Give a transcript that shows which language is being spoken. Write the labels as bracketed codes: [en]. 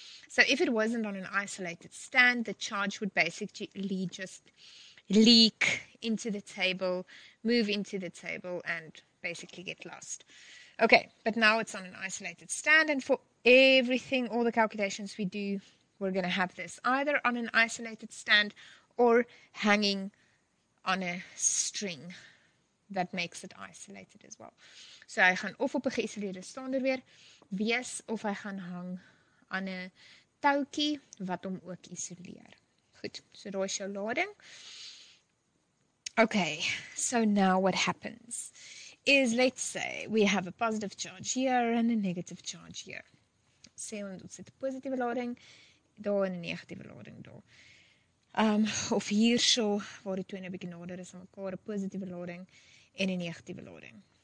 [en] So, if it wasn't on an isolated stand, the charge would basically just leak into the table, move into the table and basically get lost. Okay, but now it's on an isolated stand and for everything, all the calculations we do, we're going to have this either on an isolated stand or hanging on a string that makes it isolated as well. [af] So hy gaan of op 'n geïsoleerde stander weer wees of hy gaan hang aan 'n toutjie wat hom ook isoleer. Goed, so daar is jou lading. [en] Okay, so now what happens is let's say we have a positive charge here and a negative charge here. [af] Sê ons het 'n positiewe lading daar en 'n negatiewe lading daar. Of hierso, waar die twee nou bietjie nader is aan mekaar, 'n positiewe lading en 'n negatiewe lading.